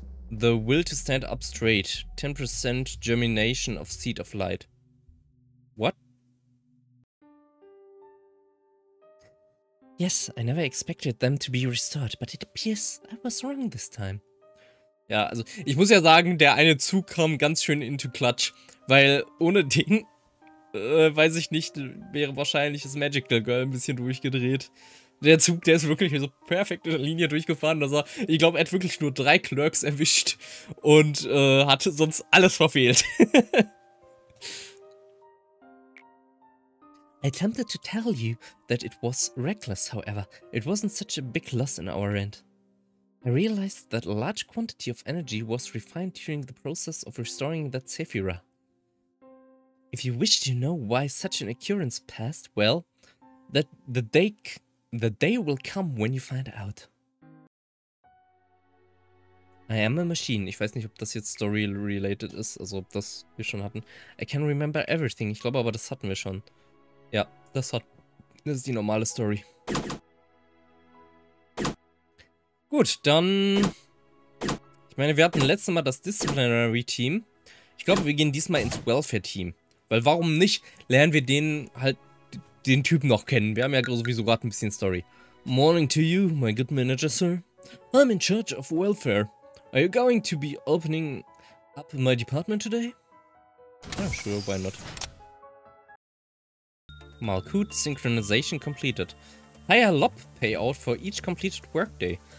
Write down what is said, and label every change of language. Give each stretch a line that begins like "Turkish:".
English: The will to stand up straight. 10% germination of seed of light. What? Yes, I never expected them to be restored, but it appears I was wrong this time.
German: Ja, also ich muss ja sagen, der eine Zug kam ganz schön into Clutch, weil ohne den, weiß ich nicht, wäre wahrscheinlich das Magical Girl ein bisschen durchgedreht. Der Zug, der ist wirklich so perfekt in der Linie durchgefahren, dass er, ich glaube, er hat wirklich nur 3 Clerks erwischt und hat sonst alles verfehlt.
English: I attempted to tell you that it was reckless, however, it wasn't such a big loss in our end. I realized that a large quantity of energy was refined during the process of restoring that Sephira. If you wish to know why such an occurrence passed, well, that the day will come when you find out. I am a machine.
German: Ich weiß nicht, ob das jetzt story-related ist, also ob das wir schon hatten.
English: I can remember everything.
German: Ich glaube aber, das hatten wir schon. Ja, das ist die normale Story. Gut, dann... Ich meine, wir hatten letztes Mal das Disciplinary Team. Ich glaube, wir gehen diesmal ins Welfare Team. Weil warum nicht, lernen wir den halt, den Typen noch kennen. Wir haben ja sowieso gerade ein bisschen Story.
English: Morning to you, my good manager, sir. I'm in charge of welfare. Are you going to be opening up my department today? Yeah, sure, why not? Malkuth synchronization completed. Higher LOP payout for each completed workday.